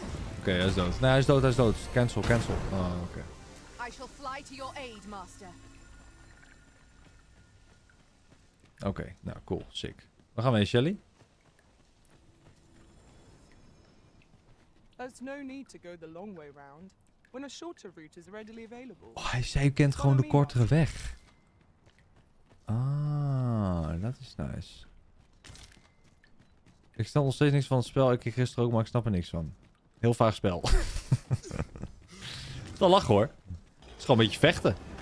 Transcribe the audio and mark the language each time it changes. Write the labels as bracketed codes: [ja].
[nl] Oké, okay, hij is dood. Nee, hij is dood. Cancel. Oh, oké. [en] I shall fly to your aid, master. [nl] Oké, nou, cool. Sick. Waar gaan we heen, Shelly? [en] There's no need to go the long way round when a shorter route is readily available. [nl] Oh, hij zei, je kent gewoon de kortere weg. Ah, dat is nice. Ik snap nog steeds niks van het spel. Ik kreeg gisteren ook, maar ik snap er niks van. Heel vaag spel. Dat lachen hoor. Het is gewoon een beetje vechten.